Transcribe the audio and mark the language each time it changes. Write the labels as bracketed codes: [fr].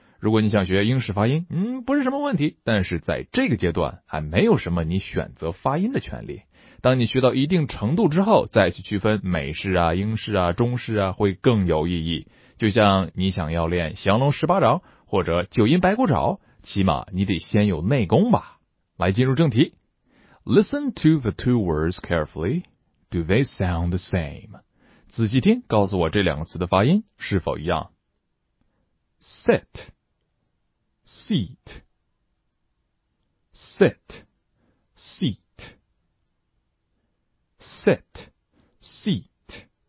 [zh] 如果你想学英式发音，不是什么问题，但是在这个阶段还没有什么你选择发音的权利。当你学到一定程度之后，再去区分美式啊、英式啊、中式啊，会更有意义。就像你想要练降龙十八掌或者九阴白骨爪，起码你得先有内功吧。来进入正题。 [en] Listen to the two words carefully. Do they sound the same? [zh] 仔细听，告诉我这两个词的发音是否一样。 [en] Sit. Seat, sit, seat, sit, seat.